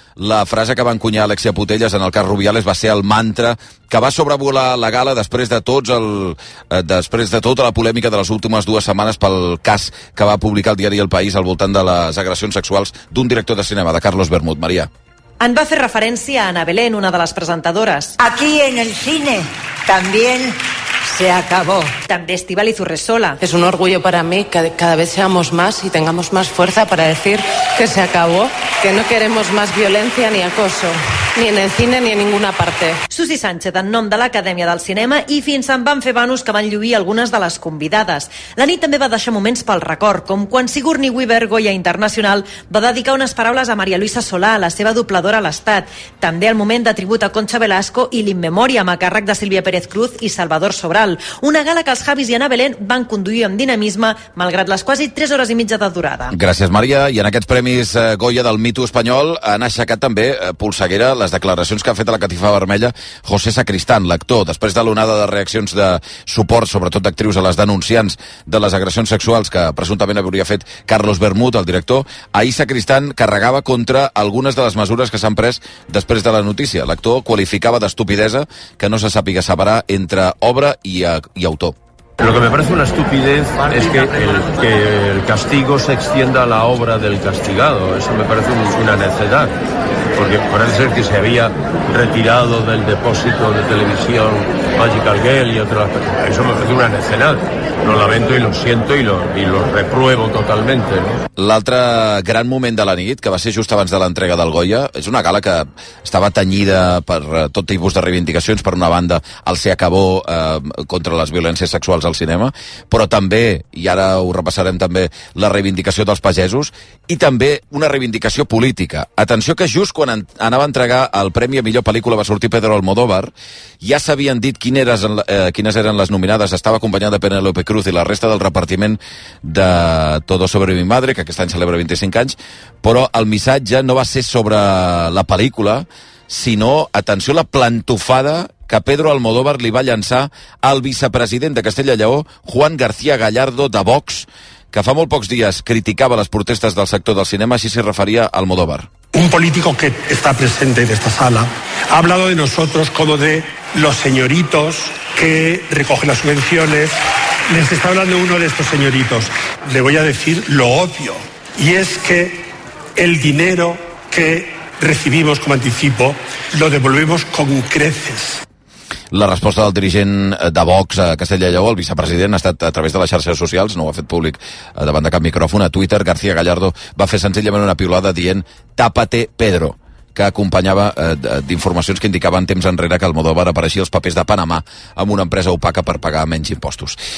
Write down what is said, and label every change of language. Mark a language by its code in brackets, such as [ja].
[ca] La frase que va encunyar Alexia Putellas en el cas Rubiales va ser el mantra que va sobrevolar la gala després de tots el, després de tota la polèmica de les últimes dues setmanes pel cas que va publicar el diari El País al voltant de les agressions sexuals d'un director de cinema, de Carlos Bermud. Maria. En va fer referència a Ana Belén, una de les presentadores. [es] Aquí en el cine también se acabó. [ca] També Estíbaliz Urresola. [es] Es un orgullo para mí que cada vez seamos más y tengamos más fuerza para decir que se acabó, que no queremos más violencia ni acoso, ni en el cine ni en ninguna parte. [ca] Susi Sánchez, en nom de l'Acadèmia del Cinema, i fins en van fer vanos que van lluir algunes de les convidades. La nit també va deixar moments pel record, com quan Sigourney Weaver, Goya Internacional, va dedicar unes paraules a Maria Luisa Solà, la seva dobladora a l'Estat. També el moment de tribut a Concha Velasco i l'Inmemoria, amb a càrrec de Sílvia Pérez Cruz i Salvador Sobral. Una gala que els Javis i Ana Belén van conduir amb dinamisme, malgrat les quasi 3 hores i mitja de durada. Gràcies, Maria. I en aquests premis Goya del Me Too espanyol han aixecat també polseguera les declaracions que ha fet a la catifa vermella José Sacristán, l'actor. Després de l'onada de reaccions de suport, sobretot d'actrius a les denunciants de les agressions sexuals que presumptament hauria fet Carlos Bermud, el director, ahir Sacristán carregava contra algunes de les mesures que s'han pres després de la notícia. L'actor qualificava d'estupidesa que no se sàpiga separar entre obra y autor. [es] Lo que me parece una estupidez es que el castigo se extienda a la obra del castigado. Eso me parece una necedad, porque parece ser que se había retirado del depósito de televisión Magical Girl y otras. Eso me parece una necedad. Lo lamento y lo siento y lo repruebo totalmente, ¿no? [ca] L'altre gran moment de la nit, que va ser just abans de l'entrega del Goya, és una gala que estava tenyida per tot tipus de reivindicacions, per una banda el Se Acabó contra les violències sexuals al cinema, però també, i ara ho repassarem també, la reivindicació dels pagesos, i també una reivindicació política. Atenció que just quan anava a entregar el Premi a Millor Pel·lícula va sortir Pedro Almodóvar, ja s'havien dit quines eren les nominades, estava acompanyat de Penélope Cruz i la resta del repartiment de Todo sobre mi madre, que aquest any celebra 25 anys, però el missatge no va ser sobre la pel·lícula, sinó, atenció, la plantofada que Pedro Almodóvar li va llançar al vicepresident de Castella i Lleó, Juan García Gallardo, de Vox, que fa molt pocs dies criticava les protestes del sector del cinema, així s'hi referia Almodóvar. [es] Un político que está presente en esta sala ha hablado de nosotros como de los señoritos que recogen las subvenciones. Les está hablando uno de estos señoritos. Le voy a decir lo obvio, y es que el dinero que recibimos como anticipo lo devolvemos con creces. [ca] La resposta del dirigent de Vox a Castella i Lleó, el vicepresident, ha estat a través de les xarxes socials, no ho ha fet públic davant de cap micròfon, a Twitter. García Gallardo va fer senzillament una piulada dient [es] «Tápate, Pedro», [ca] que acompanyava d'informacions que indicaven temps enrere que Almodóvar apareixia als papers de Panamà amb una empresa opaca per pagar menys impostos.